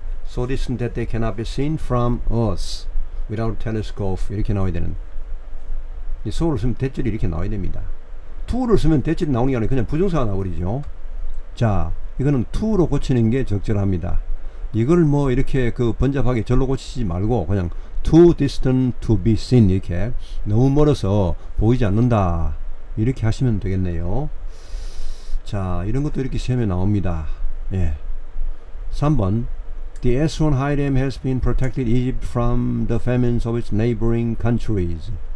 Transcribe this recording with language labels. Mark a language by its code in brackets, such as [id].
[en] So distant that they cannot be seen from us without telescope [ko] 이렇게 나와야 되는. So를 쓰면 대절이 이렇게 나와야 됩니다. To를 쓰면 대절이 나오는 게 아니라 그냥 부정사가 나버리죠. 자, 이거는 To로 고치는 게 적절합니다. 이걸 뭐 이렇게 그 번잡하게 절로 고치지 말고 그냥 [en] Too distant to be seen [ko] 이렇게 너무 멀어서 보이지 않는다 이렇게 하시면 되겠네요. 자, 이런 것도 이렇게 시험에 나옵니다. 예. 3번. [en] The S1 Hiram has been protected Egypt from the famines of its neighboring countries.